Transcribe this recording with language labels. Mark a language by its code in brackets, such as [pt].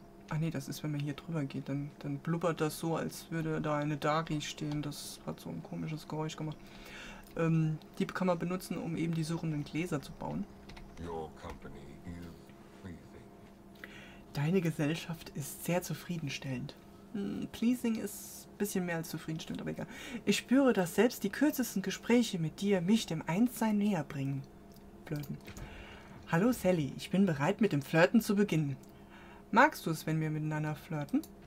[de] Ach nee, das ist, wenn man hier drüber geht, dann blubbert das so, als würde da eine Dari stehen. Das hat so ein komisches Geräusch gemacht. Die kann man benutzen, um eben die suchenden Gläser zu bauen. [en] Your company is pleasing. [de] Deine Gesellschaft ist sehr zufriedenstellend. Pleasing ist ein bisschen mehr als zufriedenstellend, aber egal. Ich spüre, dass selbst die kürzesten Gespräche mit dir mich dem Einssein näher bringen. Flirten. Hallo Sally, ich bin bereit, mit dem Flirten zu beginnen. Magst du es, wenn wir miteinander flirten?